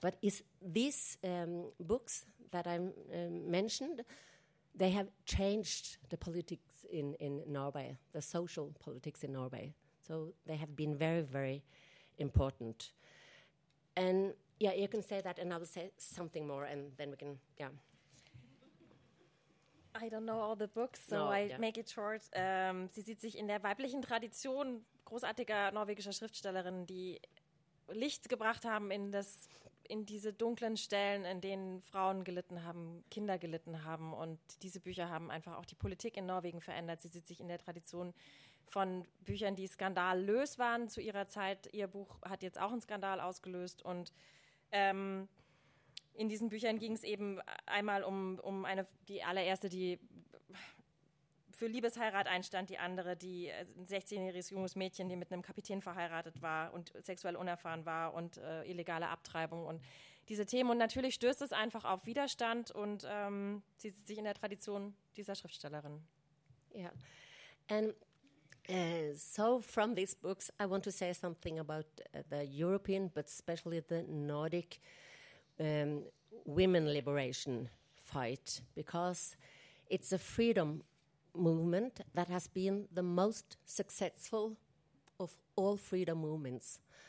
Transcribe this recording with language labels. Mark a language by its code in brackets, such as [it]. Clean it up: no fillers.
[en] But is these books that I mentioned, they have changed the politics in Norway, the social politics in Norway. So they have been very, very important. And yeah, you can say that, and I will say something more, and then we can, yeah. I don't know all the books, so no, I yeah. make it short. [de] Sie sieht sich in der weiblichen Tradition großartiger norwegischer Schriftstellerin, die Licht gebracht haben in das, in diese dunklen Stellen, in denen Frauen gelitten haben, Kinder gelitten haben. Und diese Bücher haben einfach auch die Politik in Norwegen verändert. Sie sieht sich in der Tradition von Büchern, die skandallös waren zu ihrer Zeit. Ihr Buch hat jetzt auch einen Skandal ausgelöst. Und in diesen Büchern ging es eben einmal um eine, die allererste, die für Liebesheirat einstand, die andere, die ein 16-jähriges junges Mädchen, die mit einem Kapitän verheiratet war und sexuell unerfahren war und illegale Abtreibung und diese Themen. Und natürlich stößt es einfach auf Widerstand und sie sieht sich in der Tradition dieser Schriftstellerin. Ja, yeah. [en] So from these books, I want to say something about the European, but especially the Nordic women liberation fight, because it's a freedom movement that has been the most successful of all freedom movements.